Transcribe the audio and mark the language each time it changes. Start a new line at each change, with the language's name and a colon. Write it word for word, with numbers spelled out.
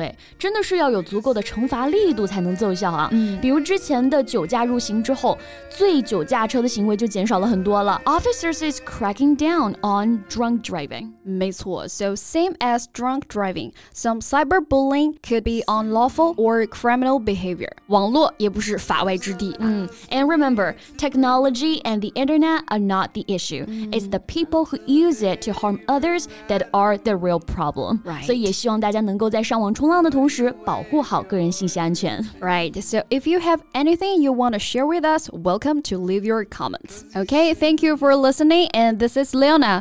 Chinese: 对，真的是要有足够的惩罚力度才能奏效啊、嗯、比如之前的酒驾入刑之后，醉酒驾车的行为就减少了很多了。
English: Officers is cracking down on drunk driving.
Chinese: 没错，
English: so same as drunk driving, some cyberbullying could be unlawful or criminal behavior.
Chinese: 网络也不是法外之地、啊嗯、
English: And remember, technology and the internet are not the issue、嗯、It's the people who use it to harm others that are the real problem、 right.
Chinese: 所以也希望大家能够在上网冲浪的同时保护好个人信息安全。
English: Right, so if you have anything you want to share with us, welcome to leave your comments. Okay, thank you for listening, and this is Leona.